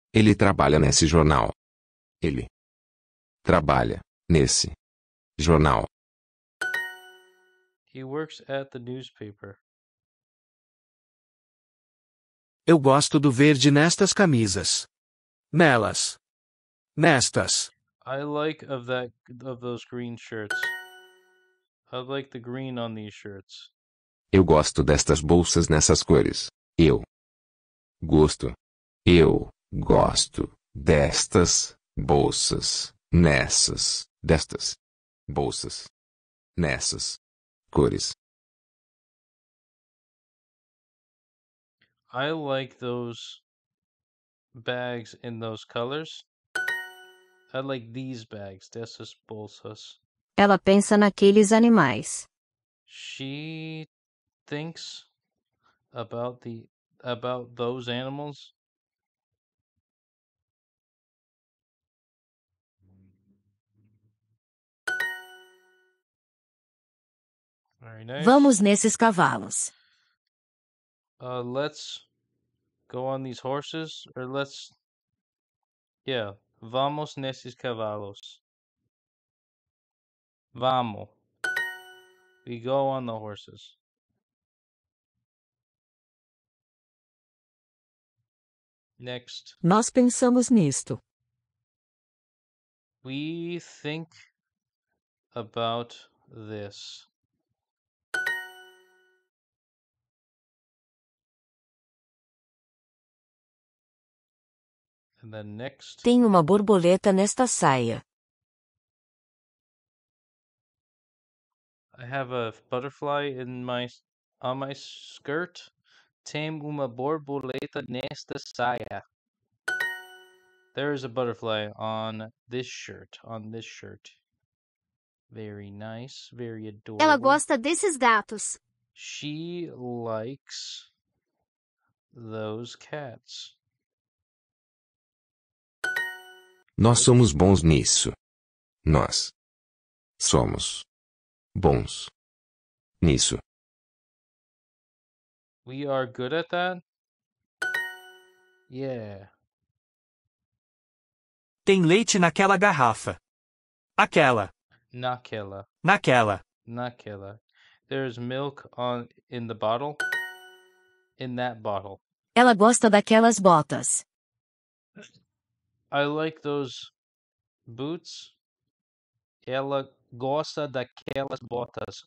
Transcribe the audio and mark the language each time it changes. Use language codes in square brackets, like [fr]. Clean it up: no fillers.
[pt] Ele trabalha nesse jornal. Ele trabalha nesse jornal. [en] He works at the newspaper. [pt] Eu gosto do verde nestas camisas. Nelas. Nestas. [en] I like of that of those green shirts. I like the green on these shirts. [pt] Eu gosto destas bolsas nessas cores. Eu gosto. Eu gosto destas bolsas nessas. Destas bolsas nessas cores. [en] I like those bags in those colors. I like these bags, [pt] destas bolsas. Ela pensa naqueles animais. [en] She thinks about the about those animals. Very nice. [pt] Vamos nesses cavalos. [en] Let's go on these horses, or let's. [pt] Yeah, vamos nesses cavalos. [en] Vamos. We go on the horses. Next. [pt] Nós pensamos nisto. [en] We think about this. And then next. [pt] Tem uma borboleta nesta saia. [en] I have a butterfly in my on my skirt. [pt] Tem uma borboleta nesta saia. [en] There is a butterfly on this shirt. On this shirt. Very nice. Very adorable. [pt] Ela gosta desses gatos. [en] She likes those cats. [pt] Nós somos bons nisso. Nós somos bons nisso. [en] We are good at that? Yeah. [pt] Tem leite naquela garrafa. Aquela. Naquela. Naquela. Naquela. [en] There's milk on in the bottle. In that bottle. [pt] Ela gosta daquelas botas. [en] I like those boots. [pt] Ela gosta daquelas botas.